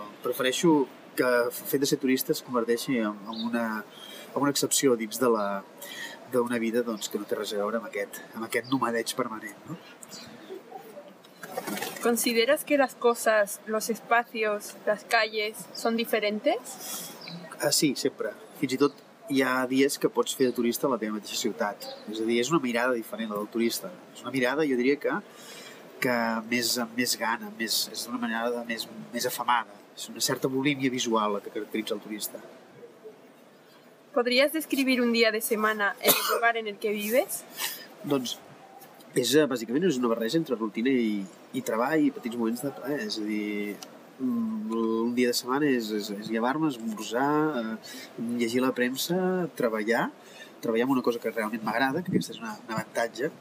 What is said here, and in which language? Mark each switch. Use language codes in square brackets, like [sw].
[ca] Prefereixo que el fet de ser turista es converteixi en una excepció dins d'una vida que no té res a veure amb aquest nomadeig permanent, no? [es] ¿Consideras que las cosas, los espacios, las calles, son diferentes? [ca] Sí, sempre. Fins i tot hi ha dies que pots fer de turista a la teva mateixa ciutat. És a dir, és una mirada diferent, la del turista. És una mirada, jo diria que amb més gana, és una mirada més afamada. És una certa bulímia visual la que caracteritza el turista. [es] ¿Podrías describir [ca] un dia de setmana [es] el lugar en el que vives? [ca] Doncs, bàsicament és una barreja entre rutina i treball i petits moments de plaer. És a dir, un dia de setmana és llevar-me, esmorzar, llegir la premsa, treballar amb una cosa que realment m'agrada, que aquesta és un avantatge.